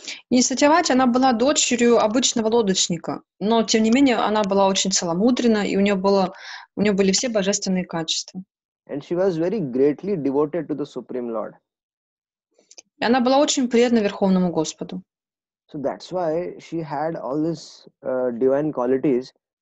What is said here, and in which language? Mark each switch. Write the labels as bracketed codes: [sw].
[ru] И Сатьявати, она была дочерью обычного лодочника, но тем не менее она была очень целомудрена, и у нее были все божественные качества. [en] And she was very greatly devoted to the Supreme Lord. [ru] И она была очень преданна Верховному Господу. [en] So that's why she had all these divine qualities.